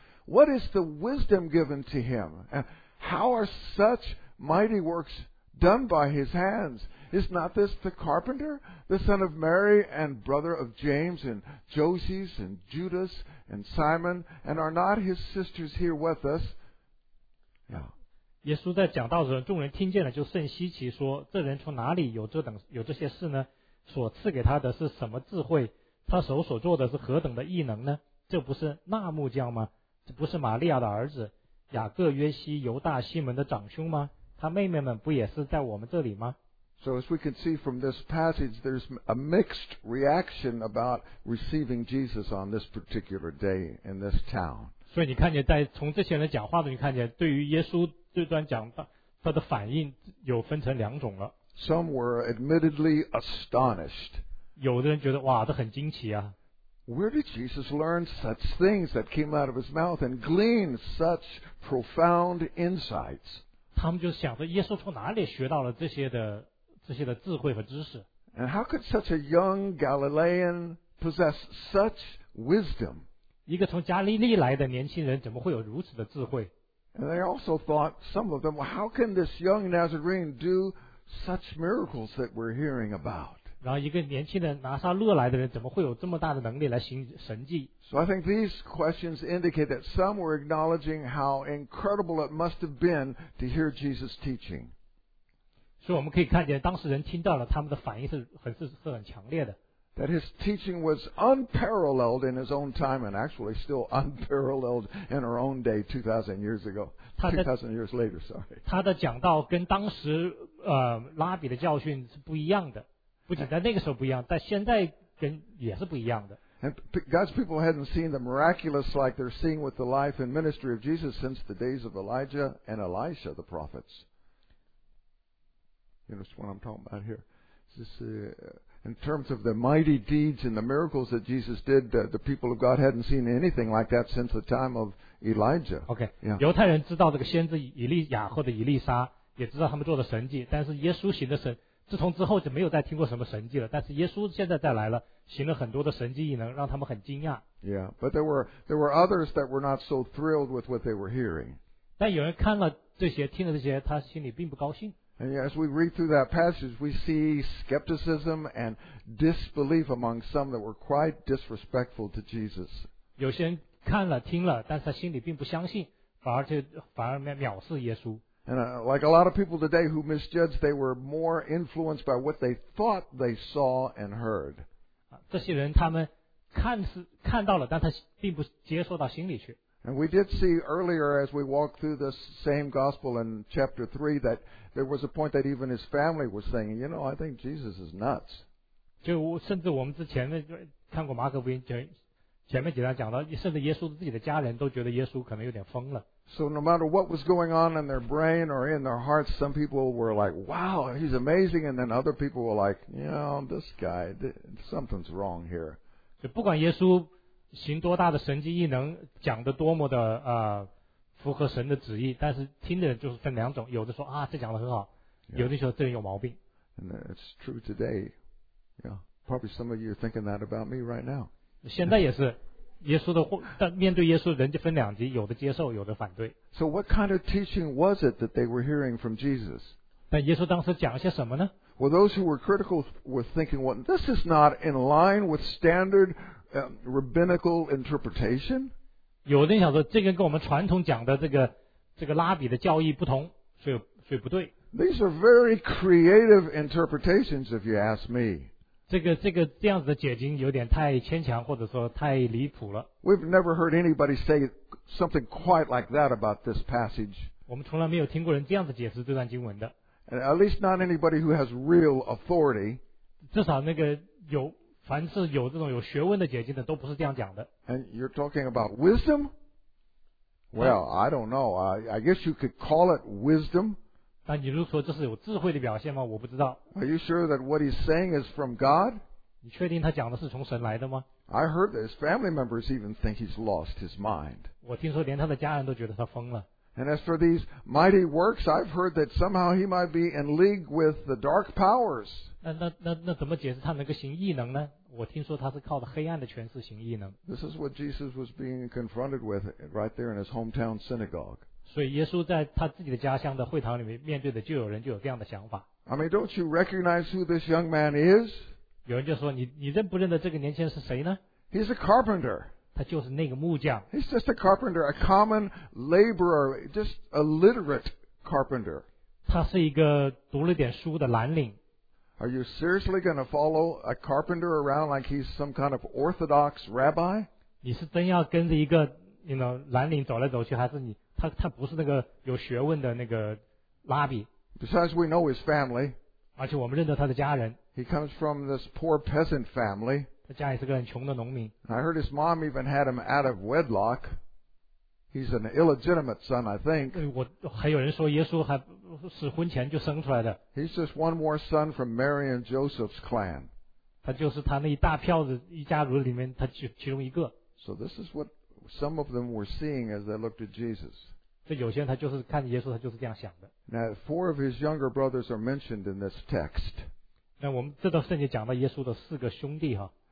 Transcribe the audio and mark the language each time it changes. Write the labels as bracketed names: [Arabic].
[English] What is the wisdom given to him? And how are such mighty works done by his hands? Is not this the carpenter, the son of Mary, and brother of James, and Joses, and Judas, and Simon? And are not his sisters here with us? Yeah. [Chinese] 耶稣在讲道的时候，众人听见了，就甚稀奇，说：“这人从哪里有这些事呢？所赐给他的是什么智慧？他手所做的是何等的异能呢？这不是那木匠吗？这不是玛利亚的儿子雅各、约西、犹大、西门的长兄吗？他妹妹们不也是在我们这里吗？” [English] So as we can see from this passage, there's a mixed reaction about receiving Jesus on this particular day in this town. [Chinese] 所以你看见在从这些人讲话的，你看见对于耶稣。这段讲他的反应有分成两种了。 [English] Some were admittedly astonished. [Chinese] 有的人觉得哇，这很惊奇啊。 [English] Where did Jesus learn such things that came out of his mouth and glean such profound insights? [Chinese] 他们就想着耶稣从哪里学到了这些的智慧和知识。 [English] And how could such a young Galilean possess such wisdom? [Chinese] 一个从加利利来的年轻人怎么会有如此的智慧？ [English] And they also thought, some of them, well, how can this young Nazarene do such miracles that we're hearing about? [Chinese] 然后一个年轻的拿撒勒来的人怎么会有这么大的能力来行神迹？ [English] So I think these questions indicate that some were acknowledging how incredible it must have been to hear Jesus' teaching. [Chinese] 所以我们可以看见当事人听到了他们的反应是很强烈的。 [English] That his teaching was unparalleled in his own time and actually still unparalleled in our own day 2,000 years ago. 2,000 years later, sorry. [Chinese] 他的讲道跟当时拉比的教训是不一样的。不仅在那个时候不一样，但现在跟也是不一样的。 [English] And God's people hadn't seen the miraculous like they're seeing with the life and ministry of Jesus since the days of Elijah and Elisha, the prophets. You know, that's what I'm talking about here. This, in terms of the mighty deeds and the miracles that Jesus did, the people of God hadn't seen anything like that since the time of Elijah. Okay. Yeah. [Chinese] 犹太人知道这个先知以利亚或者以利沙，也知道他们做的神迹，但是耶稣行的神，自从之后就没有再听过什么神迹了。但是耶稣现在再来了，行了很多的神迹异能，让他们很惊讶。 [English] Yeah, but there were others that were not so thrilled with what they were hearing. [Chinese] 但有人看了这些，听了这些，他心里并不高兴。 [English] And as we read through that passage, we see skepticism and disbelief among some that were quite disrespectful to Jesus. [Chinese] 有些人看了听了，但是他心里并不相信，反而藐视耶稣。 [English] And like a lot of people today who misjudged, they were more influenced by what they thought they saw and heard. [Chinese] 这些人他们看到了，但他并不接受到心里去。 [English] And we did see earlier as we walked through this same gospel in chapter 3 that there was a point that even his family was saying, you know, I think Jesus is nuts. [Chinese] 就甚至我们之前看过马可福音前面几章讲到，甚至耶稣自己的家人都觉得耶稣可能有点疯了。 [English] So no matter what was going on in their brain or in their hearts, some people were like, wow, he's amazing. And then other people were like, you know, this guy, something's wrong here. [Chinese] 就不管耶稣行多大的神迹异能，讲的多么的符合神的旨意，但是听的人就是分两种，有的说啊这讲的很好，有的说这人有毛病。 [English] And it's true today. Yeah, probably some of you are thinking that about me right now. [Chinese] 现在也是，耶稣的但面对耶稣，人就分两极，有的接受，有的反对。 [English] So what kind of teaching was it that they were hearing from Jesus? [Chinese] 但耶稣当时讲些什么呢？ [English] Well, those who were critical were thinking, well, this is not in line with standard. Rabbinical interpretation. [Chinese] 有人想说，这个跟我们传统讲的这个拉比的教义不同，所以不对。 [English] These are very creative interpretations, if you ask me. [Chinese] 这个这样子的解经有点太牵强，或者说太离谱了。 [English] We've never heard anybody say something quite like that about this passage. [Chinese] 我们从来没有听过人这样子解释这段经文的。 [English] And at least not anybody who has real authority. [Chinese] 至少那个有。凡是有这种有学问的解经的都不是这样讲的。 [English] And you're talking about wisdom? Well, I don't know. I guess you could call it wisdom. [Chinese] 但你如果说这是有智慧的表现吗？我不知道。 [English] Are you sure that what he's saying is from God? [Chinese] 你确定他讲的是从神来的吗？ [English] I heard that his family members even think he's lost his mind. [Chinese] 我听说连他的家人都觉得他疯了。 [English] And as for these mighty works, I've heard that somehow he might be in league with the dark powers. [Chinese] 那怎么解释他能够行异能呢？我听说他是靠着黑暗的权势行异能。 [English] This is what Jesus was being confronted with right there in his hometown synagogue. [Chinese] 所以耶稣在他自己的家乡的会堂里面面对的就有人就有这样的想法。 [English] I mean, don't you recognize who this young man is? [Chinese] 有人就说你认不认得这个年轻人是谁呢？ [English] He's a carpenter. [Chinese] 他就是那个木匠。 [English] He's just a carpenter, a common laborer, just a literate carpenter. [Chinese] 他是一个读了点书的蓝领。 [English] Are you seriously going to follow a carpenter around like he's some kind of orthodox rabbi? [Chinese] 你是真要跟着一个蓝领走来走去，还是你他不是那个有学问的那个拉比？ [English] Besides, we know his family. [Chinese] 而且我们认得他的家人。 [English] He comes from this poor peasant family. [Chinese] 他家里是个很穷的农民。 [English] I heard his mom even had him out of wedlock. He's an illegitimate son, I think. [Chinese] 我还有人说耶稣还。是婚前就生出来的。 [English] He's just one more son from Mary and Joseph's clan. [Chinese] 他就是他那一大票子一家族里面，他其中一个。 [English] So this is what some of them were seeing as they looked at Jesus. [Chinese] 这有些人他就是看耶稣，他就是这样想的。 [English] Now four of his younger brothers are mentioned in this text. [Chinese] 那我们这段圣经讲到耶稣的四个兄弟哈。